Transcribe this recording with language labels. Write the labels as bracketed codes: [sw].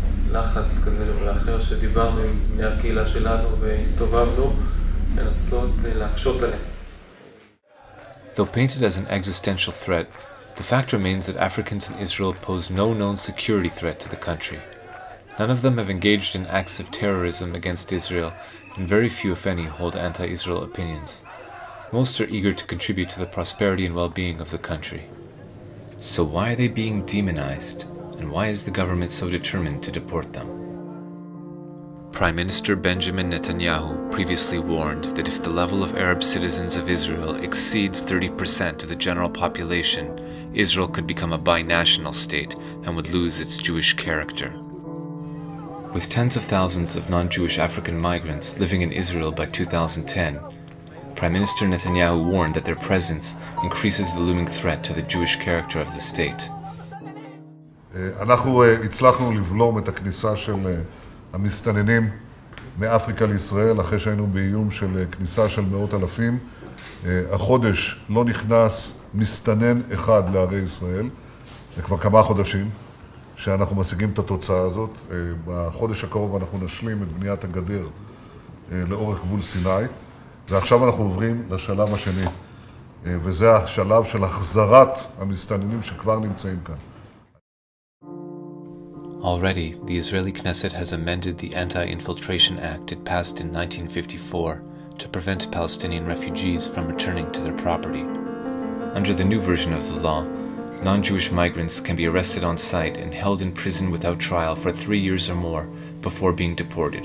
[he] לחץ כזה ולאחר שדיברנו עם בני הקהילה שלנו והסתובבנו לנסות להקשות עליהם. [en] Though painted as an existential threat, the fact remains that Africans in Israel pose no known security threat to the country. None of them have engaged in acts of terrorism against Israel, and very few, if any, hold anti-Israel opinions. Most are eager to contribute to the prosperity and well-being of the country. So why are they being demonized? And why is the government so determined to deport them? Prime Minister Benjamin Netanyahu previously warned that if the level of Arab citizens of Israel exceeds 30% of the general population, Israel could become a binational state and would lose its Jewish character. With tens of thousands of non-Jewish African migrants living in Israel by 2010, Prime Minister Netanyahu warned that their presence increases the looming threat to the Jewish character of the state. [he] אנחנו הצלחנו לבלום את הכניסה של המסתננים מאפריקה לישראל אחרי שהיינו באיום של כניסה של מאות אלפים. החודש לא נכנס מסתנן אחד לערי ישראל. זה כבר כמה חודשים שאנחנו משיגים את התוצאה הזאת. בחודש הקרוב אנחנו נשלים את בניית הגדר לאורך גבול סיני. ועכשיו אנחנו עוברים לשלב השני, וזה השלב של החזרת המסתננים שכבר נמצאים כאן. [en] Already, the Israeli Knesset has amended the Anti-Infiltration Act it passed in 1954 to prevent Palestinian refugees from returning to their property. Under the new version of the law, non-Jewish migrants can be arrested on site and held in prison without trial for 3 years or more before being deported.